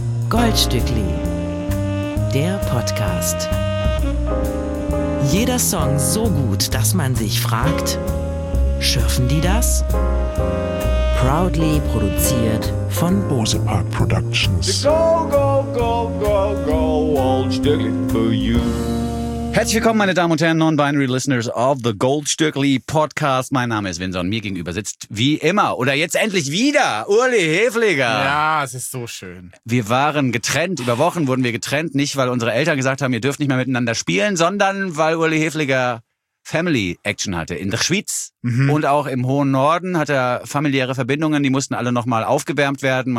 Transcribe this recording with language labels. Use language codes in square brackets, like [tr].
[de] Goldstückli. Der Podcast. Jeder Song so gut, dass man sich fragt, schürfen die das? Proudly produziert von Bose Park Productions. [en] Go, go, go, go, go, Goldstückli for you. [de] Herzlich willkommen, meine Damen und Herren, [en] Non-Binary Listeners of the Goldstückli Podcast. [de] Mein Name ist Vincent, mir gegenüber sitzt wie immer oder jetzt endlich wieder Uli Hefliger. Ja, es ist so schön. Wir waren getrennt, über Wochen wurden wir getrennt, nicht weil unsere Eltern gesagt haben, ihr dürft nicht mehr miteinander spielen, sondern weil Uli Hefliger [en] Family Action [de] hatte in der Schweiz und auch im hohen Norden hat er familiäre Verbindungen, die mussten alle nochmal aufgewärmt werden.